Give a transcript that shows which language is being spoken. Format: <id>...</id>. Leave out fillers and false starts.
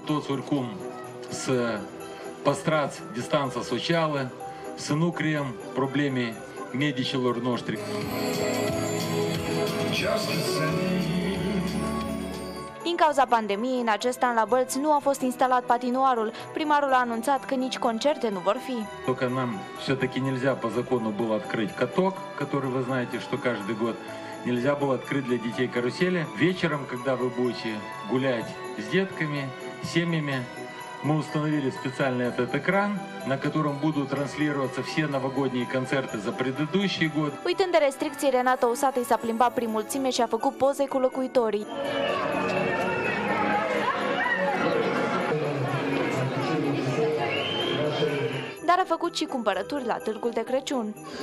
<ro>Toți oricum să păstrați distanța socială, să nu creăm probleme medicilor noștri. Din cauza pandemiei, în acest an la Bălți nu a fost instalat patinoarul. Primarul a anunțat că nici concerte nu vor fi.</ro> <ru>Только нам все-таки нельзя по закону было открыть каток, который вы знаете, что каждый год нельзя было открыть для детей карусели. Вечером, когда вы будете гулять с детками, семьями, мы установили специальный этот экран, на котором будут транслироваться все новогодние концерты за предыдущий год.</ru> <ro>Uitând de restricții, Renata Usatăi s-a plimbat prin mulțime și a făcut poze cu locuitorii. Dar a făcut și cumpărături la târgul de Crăciun.</ro>